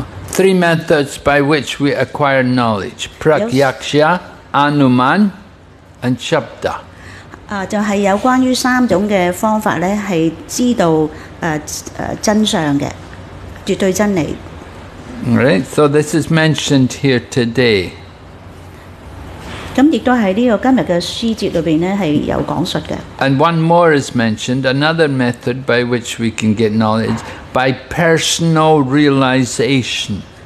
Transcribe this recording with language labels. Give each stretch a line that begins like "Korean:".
English: Three methods by which we acquire knowledge: pragyaksha, anuman, and shabda.
Cantonese: 就系有关于三种嘅方法咧，系知道真相嘅绝对真理。
English: Right, so this is mentioned here today.
Cantonese: 咁亦都喺呢个今日嘅书节里边咧，系有讲述嘅。
English: And one more is mentioned, another method by which we can get knowledge, by personal realization.